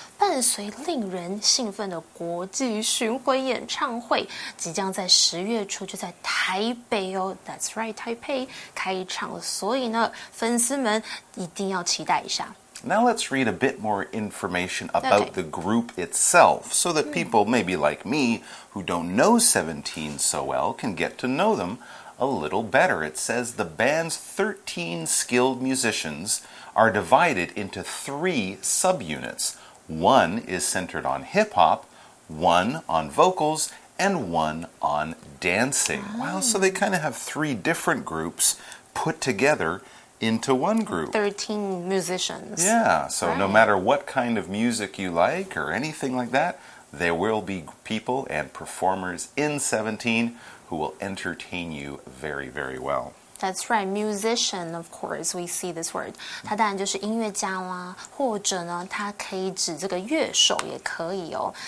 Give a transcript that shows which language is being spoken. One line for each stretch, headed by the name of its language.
Chinese: 伴随令人兴奋的国际巡回演唱会，即将在十月初就在台北哦 ,
English: That's right,
Chinese: 台北开场了，所以呢，粉丝们一定要期待一下。
English: Now let's read a bit more information about the group itself, so that people maybe like me, who don't know 17 so well, can get to know them,A little better. It says the band's 13 skilled musicians are divided into three subunits. One is centered on hip-hop, one on vocals, and one on dancing. Oh. Wow, so they kind of have three different groups put together into one group. 13 musicians. Yeah, so right. No matter what kind of music you like or anything like that, there will be people and performers in 17 who will entertain you very, very well. That's right, musician, of course, we see this word.
Chinese: 它当然就是音乐家啦，或者呢，它可以指这个乐手也可以哦。